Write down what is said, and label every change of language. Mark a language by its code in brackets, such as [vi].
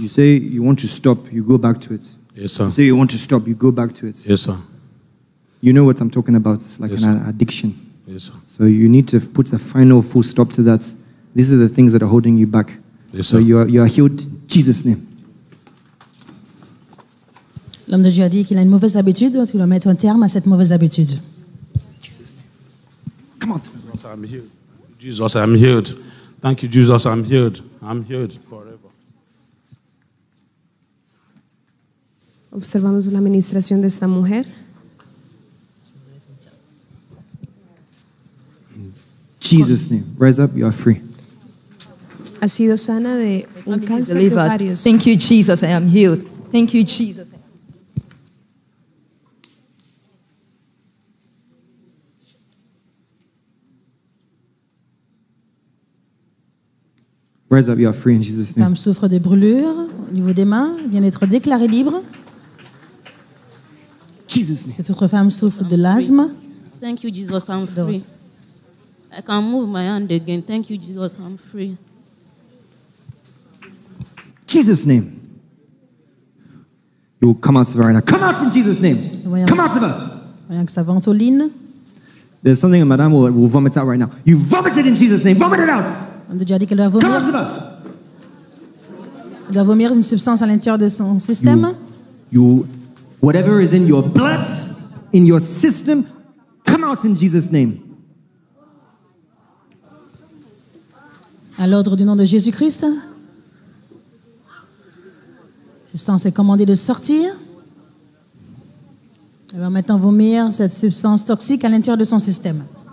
[en] You say you want to stop, you go back to it. Yes, sir. You say you want to stop, you go back to it. Yes, sir. You know what I'm talking about, like yes, an addiction. Yes, sir. So you need to put a final full stop to that. These are the things that are holding you back. Yes, sir. So you are healed in Jesus' name. [fr] L'homme de Dieu a dit qu'il a une mauvaise habitude, donc il doit mettre un terme à cette mauvaise habitude. [en] Come on. Jesus, I'm healed. Jesus, I'm healed. Thank you, Jesus, I'm healed. I'm healed forever. [es] Observamos la administración de esta mujer. [en] Jesus' name. Rise up, you are free. [es] Ha sido sana de un cáncer de ovarios. [en] Thank you, Jesus, I am healed. Thank you, Jesus. Rise up, you are free in Jesus' name. [fr] Femme souffre de brûlures au niveau des mains, vient d'être déclarée libre. [en] Jesus' name. [fr] Cette autre femme souffre de l'asthme. [en] Thank you, Jesus, I'm free. I can move my hand again. Thank you, Jesus, I'm free. Jesus' name. You will come out of her right now. Come out in Jesus' name. Come out of her. [fr] Voyons que sa ventoline. [en] There's something that madame will vomit out right now. You vomited in Jesus' name. Vomit it out. [fr] On a déjà dit qu'elle doit vomir. Elle doit vomir une substance à l'intérieur de son système. [en] You, whatever is in your blood, in your system, come out in Jesus' name. [fr] À l'ordre du nom de Jésus-Christ, la substance est commandée de sortir. Elle va maintenant vomir cette substance toxique à l'intérieur de son système.